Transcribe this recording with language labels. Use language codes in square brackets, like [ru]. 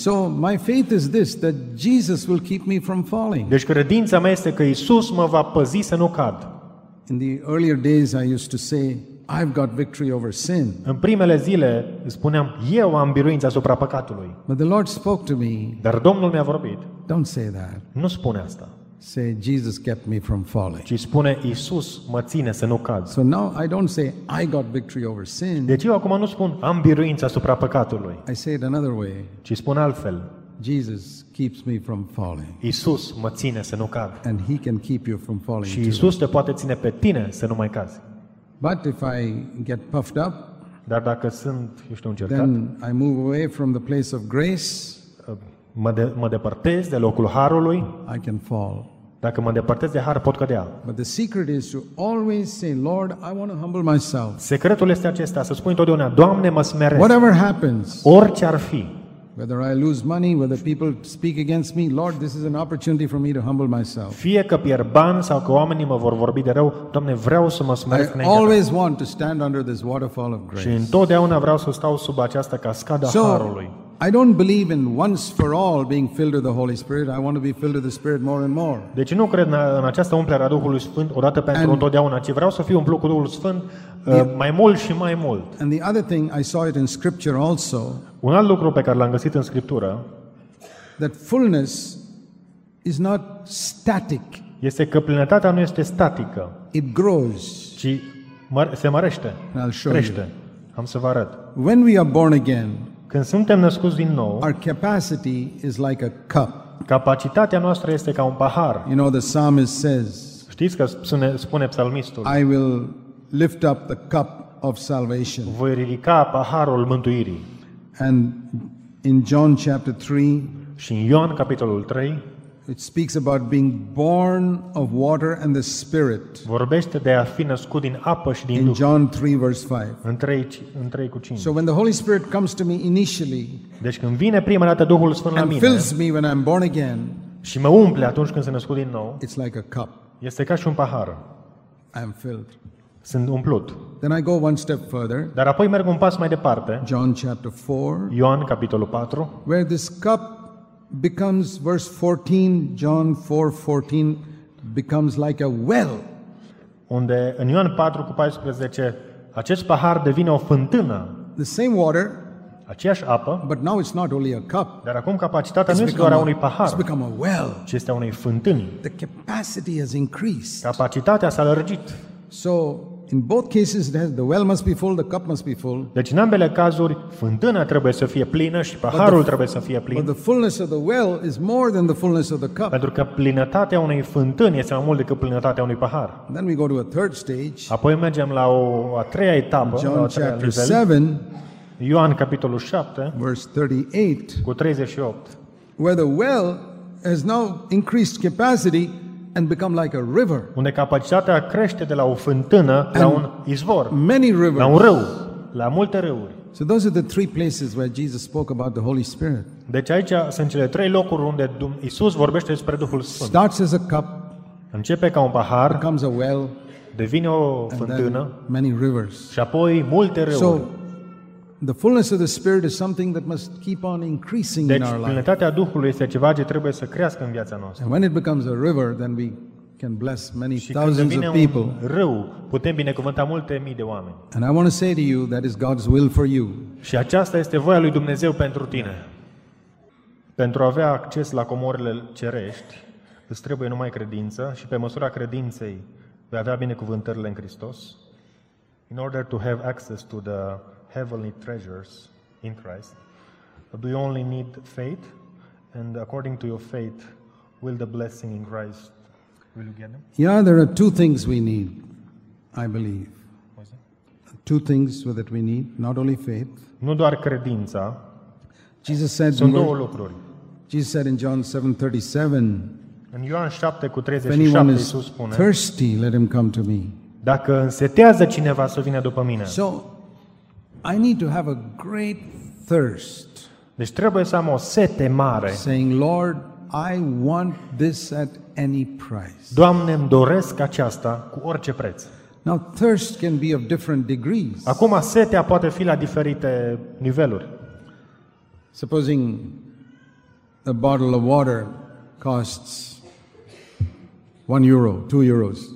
[en] So my faith is this, that Jesus will keep me from falling. [ro] Deci credința mea este că Iisus mă va păzi să nu cad. [en] In the earlier days I used to say I've got victory over sin. [ro] În primele zile spuneam eu am biruința asupra păcatului. [en] But the Lord spoke to me. [ro] Dar Domnul mi-a vorbit. [en] Don't say that. [ro] Nu spune asta. [en] Say Jesus kept me from falling. [ro] Ci spune Iisus mă ține să nu cad. [en] So now I don't say I got victory over sin. [ro] Deci eu acum nu spun am biruința asupra păcatului. [en] I say it another way. [ro] Ci spun altfel. [en] Jesus keeps me from falling. [ro] Iisus mă ține să nu cad. [en] And he can keep you from falling. [ro] Și Iisus te poate ține pe tine să nu mai cazi. [en] But if I get puffed up, [ro] Dar dacă sunt, eu știu, încercat, [en] then I move away from the place of grace. [ro] Mă depărtez de locul harului. [en] I can fall. [ro] Dacă mă depărtez de har, pot cădea. [en] But the secret is to always say, Lord, I want to humble myself. [ro] Secretul este acesta, să spun întotdeauna, Doamne, mă smeresc. [en] Whatever happens. [ro] Orice ar fi. [en] Whether I lose money, whether people speak against me, Lord, this is an opportunity for me to humble myself. [ro] Fie că pierd bani sau că oamenii mă vor vorbi de rău, Doamne, vreau să mă smeresc. [en] I always want to stand under this waterfall of grace. [ro] Și întotdeauna vreau să stau sub această cascadă a harului. [en] I don't believe in once for all being filled with the Holy Spirit. I want to be filled with the Spirit more and more. [ro] Deci nu cred în această umplere a Duhului Sfânt odată pentru întotdeauna, ci vreau să fiu umplut cu Duhul Sfânt mai mult și mai mult. [en] And the other thing, I saw it in Scripture also. [ro] Un alt lucru pe care l-am găsit în Scriptură, [en] that fullness is not static. [ro] Este că plinătatea nu este statică. [en] It grows. [ro] Ci se mărește. Crește. Am să vă arăt. [en] When we are born again, [ro] când suntem născuți din nou, [en] our capacity is like a cup. [ro] Capacitatea noastră este ca un pahar. [en] You know, the psalmist says, [ro] știți că spune psalmistul, [en] I will lift up the cup of salvation. [ro] Voi ridica paharul mântuirii. [en] And in John chapter 3, [ro] și în Ioan capitolul 3, [en] it speaks about being born of water and the Spirit. [ro] Vorbește de a fi născut din apă și din Duh. [en] In John 3 verse 5. [ro] În 3 cu 5. [en] So when the Holy Spirit comes to me initially, [ro] deci când vine prima dată Duhul Sfânt la mine, [en] and fills me when I'm born again, [ro] și mă umple atunci când sunt născut din nou, [en] it's like a cup. [ro] Este ca și un pahar. [en] I am filled. [ro] Sunt umplut. [en] Then I go one step further. [ro] Dar apoi merg un pas mai departe. [en] John chapter 4. [ro] Ioan capitolul 4. [en] Where this cup becomes verse 14, John 4:14 becomes like a well. [ro] Unde în Ioan 4 cu 14 acest pahar devine o fântână. [en] The same water, [ro] aceeași apă, [en] but now it's not only a cup. [ro] Dar acum capacitatea nu este doar a unui pahar. [en] It's become a well. [ro] Ci este a unei fântâni. [en] The capacity has increased. [ro] Capacitatea s-a lărgit. [en] So in both cases the well must be full, the cup must be full. [ro] Deci în ambele cazuri fântâna trebuie să fie plină și paharul trebuie să fie plin. [en] But the fullness of the well is more than the fullness of the cup. [ro] Pentru că plinătatea unei fântâni este mai mult decât plinătatea unui pahar. [en] Then we go to a third stage. [ro] Apoi mergem la a treia etapă, [en] John chapter 7. [ro] Ioan capitolul 7, [en] verse 38. [ro] Cu 38. [en] Where the well has now increased capacity and become like a river. [ro] Unde capacitatea crește de la o fântână la un izvor. [en] Many rivers. [ro] La un râu, la multe râuri. [en] So those are the three places where Jesus spoke about the Holy Spirit. [ro] Deci aici sunt cele trei locuri unde Iisus vorbește despre Duhul Sfânt. [en] Starts as a cup. [ro] Începe ca un pahar. [en] Becomes a well. [ro] Devine o fântână. [en] Many rivers. [ro] Și apoi multe râuri. [en] So the fullness of the Spirit is something that must keep on increasing [ro] deci, [en] in our life. [ro] Deci plinătatea Duhului este ceva ce trebuie să crească în viața noastră. [en] And when it becomes a river, then we can bless many [ro] și [en] thousands [ro] când [en] of people. [ro] Și când devine un râu, putem binecuvânta multe mii de oameni. [en] And I want to say to you that is God's will for you. [ro] Și aceasta este voia lui Dumnezeu pentru tine. Pentru a avea acces la comorile cerești, îți trebuie numai credință și pe măsura credinței vei avea binecuvântările în Hristos. [en] In order to have access to the heavenly treasures in Christ, do you only need faith? And according to your faith, will the blessing in Christ, will you get them? Yeah, there are two things we need, I believe. Two things that we need, not only faith. [ro] Nu doar credința. [en] Jesus said, [ro] sunt două lucruri. [en] Jesus said in John 7:37, [ro] în Ioan 7 cu 37, [en] if anyone [ro] Iisus spune, [en] is thirsty, let him come to me. [ro] Dacă însetează cineva, să vină după mine. [en] So, I need to have a great thirst. [ro] Deci trebuie să am o sete mare. [en] Saying, Lord, I want this at any price. [ro] Doamne, îmi doresc aceasta cu orice preț. [en] Now thirst can be of different degrees. [ro] Acum setea poate fi la diferite niveluri. [en] Supposing a bottle of water costs 1 euro, 2 euros.